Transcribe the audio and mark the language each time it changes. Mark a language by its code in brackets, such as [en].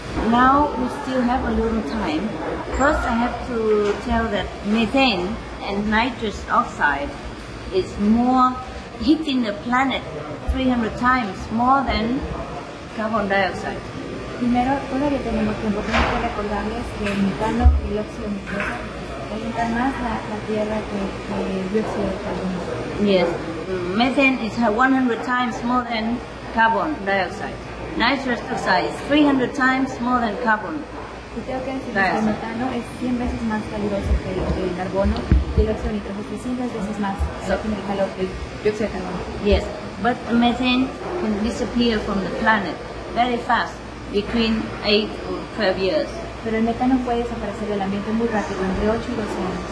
[en] Now we still have a little time. First, I have to tell that methane and nitrous oxide is more hitting the planet 300 times more than carbon dioxide. [es] Primero, todavía tenemos tiempo. Tengo que recordarles que el metano y el óxido nitroso calienta más la tierra que el dióxido de carbono. [en] Yes, methane is 100 times more than carbon dioxide. Nitrous oxide is 300 times more than carbon. [es] Y tengo que decir que el metano es 100 veces más caluroso que el carbono y el óxido nitroso es 100 veces más caluroso que el dióxido de carbono. [en] Yes, but methane can disappear from the planet very fast, between 8 or 12 years. [es] Pero el metano puede desaparecer del ambiente muy rápido, entre 8 y 12 años.